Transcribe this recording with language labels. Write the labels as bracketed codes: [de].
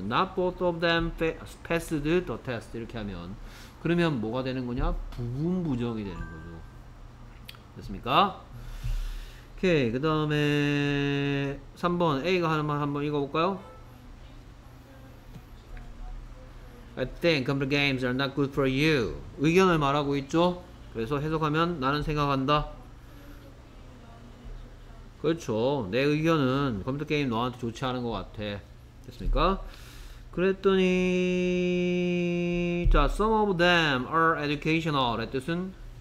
[en] Not both of them passed the test. [ko] 이렇게 하면. 그러면 뭐가 되는 거냐? 부분 부정이 되는 거죠. 됐습니까? 오케이. 그 다음에 3번. A가 하는 말 한번 읽어볼까요? [en] I think computer games are not good for you. [ko] 의견을 말하고 있죠? 그래서 해석하면 나는 생각한다. 그렇죠. 내 의견은 컴퓨터 게임 너한테 좋지 않은 것 같아. 됐습니까? 그랬더니, 자, [en] some of them are educational [ko] 의 뜻은?